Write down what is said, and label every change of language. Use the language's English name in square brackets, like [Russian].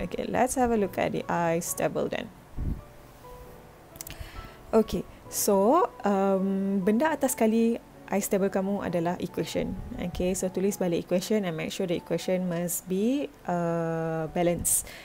[English] Okay, let's have a look at the I-stable then. [Malay] Okay, so benda atas sekali I-stable kamu adalah equation. [English] Okay, so [Malay] tulis balik [English] equation and make sure the equation must be balanced.